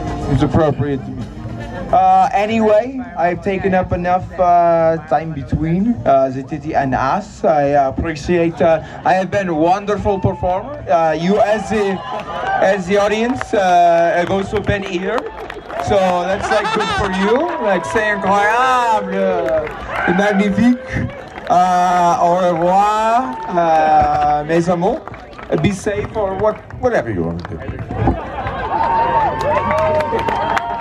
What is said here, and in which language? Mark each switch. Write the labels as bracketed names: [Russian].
[English] It's appropriate to me. Anyway, I've taken up enough time between the titty and ass. I appreciate, I have been a wonderful performer. You as the audience have also been here. So that's like good for you. [French] Like c'est incroyable, magnifique, au revoir, mes amours. [English] Be safe or whatever you want to do.